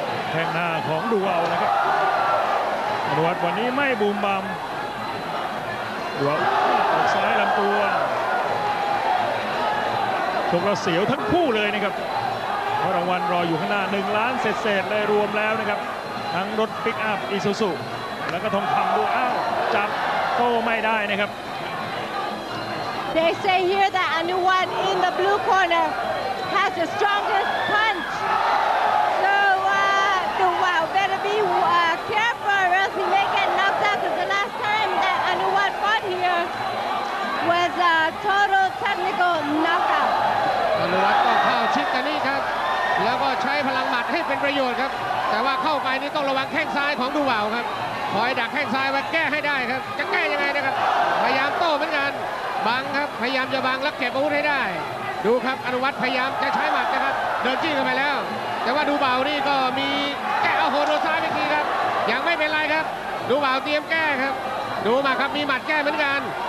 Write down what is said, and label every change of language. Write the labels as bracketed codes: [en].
[th] แข้งหน้าของดูเอานะครับอนุวัตรวันนี้ไม่บูมบัมดูเอาออกซ้ายลำตัวชกแล้วเสียวทั้งคู่เลยนะครับ รางวัลรออยู่ข้างหน้า1ล้านเศษๆเลยรวมแล้วนะครับทั้งรถปิกอัพ Isuzu แล้วก็ทองคำดูอ้าวจับโต้ไม่ได้นะครับ [en] They say here that anyone in the blue corner has the strongest punch so the wow better be careful or he may get knocked out because the last time that anyone fought here was a total technical knockout [th] อนุวัฒน์ก็เข้าชิดกันนี่ครับแล้วก็ใช้พลังหมัดให้เป็นประโยชน์ครับแต่ว่าเข้าไปนี่ต้องระวังแข้งซ้ายของดูว่าวครับคอยดักแข้งซ้ายไว้แก้ให้ได้ครับจะแก้ยังไงนะครับพยายามโต้เหมือนกันบังครับพยายามจะบังแล้วเก็บอาวุธให้ได้ดูครับอนุวัฒน์พยายามจะใช้หมัดนะครับเดินจี้เข้าไปแล้วแต่ว่าดูว่าวนี่ก็มีแก้โอ้โหโดนซ้ายอีกทีครับยังไม่เป็นไรครับดูว่าวเตรียมแก้ครับดูมาครับมีหมัดแก้เหมือนกัน